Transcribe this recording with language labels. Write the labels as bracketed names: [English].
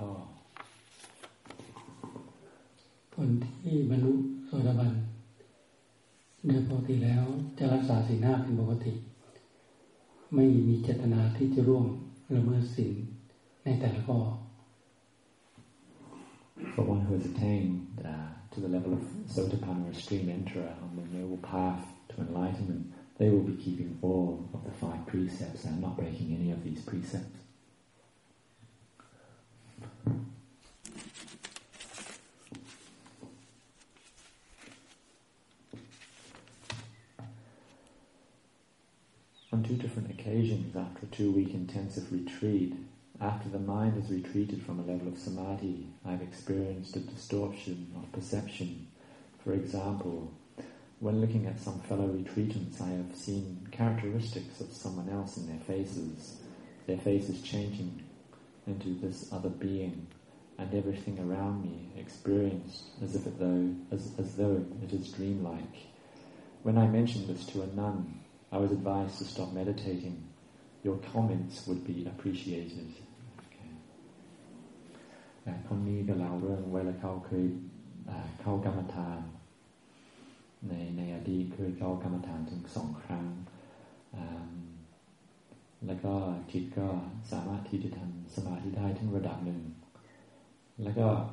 [Thai] อคนที่บรรลุโสดาบันโดยปกติแล้วจะรักษาศีลห้าเป็นปกติไม่มีเจตนาที่จะร่วงละเมิดศีลในแต่ละข้อ [English] For one who has attained to the level of Sotapanna or stream enterer on the noble path to enlightenment, they will be keeping all of the five precepts and not breaking any of these precepts. On two different occasions, after a two-week intensive retreat, after the mind has retreated from a level of samadhi, I've experienced a distortion of perception. For example, when looking at some fellow retreatants, I have seen characteristics of someone else in their faces. Their faces changing into this other being, and everything around me experienced as though it is dreamlike. When I mentioned this to a nun, I was advised to stop meditating. Your comments would be appreciated. [Thai] คนนี้ก็เล่าเรื่องเวลาเขาเคยเข้ากรรมฐานในอดีตเคยเข้ากรรมฐานถึงสองครั้งแล้วก็จิตก็สามารถที่จะทำสมาธิได้ถึงระดับหนึ่งแล้วก็